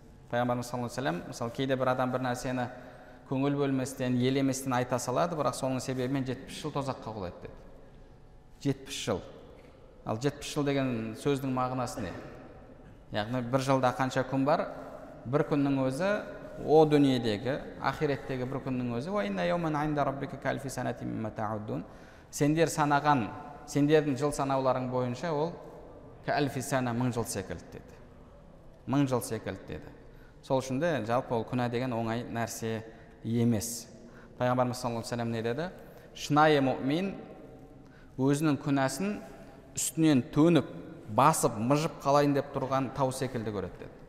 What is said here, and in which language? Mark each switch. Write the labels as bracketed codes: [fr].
[kk] Пайғамбарымыз саллаллаху алейхи ва саллям, мысалы кейде бір адам бір нәрсені көңіл бөлместен, елеместен айта салады, бірақ соның себебімен 70 жыл тозаққа құлайды деді. 70 жыл. Ал 70 жыл деген сөздің мағынасы не? Яғни бір жылда қанша күн бар? Бір күннің өзі о дүниедегі, ахиреттегі бір күннің өзі. [ar] Ва инна йаума 'инда раббика калфи санати мимма та'уддун. [kk] Сендер санаған, сендердің жыл санауларың бойынша ол калфи сана 1000 жыл секілді деді. 1000 жыл секілді деді. Сол үшін де жалпы ол күнә деген оңай нәрсе емес. Пайғамбарымыз саллаллаху алейхи ва саллям не деді? Шынайы мұмин өзінің күнәсін үстінен төніп, басып, мұжып қалайын деп тұрған тау секілді көреді деді.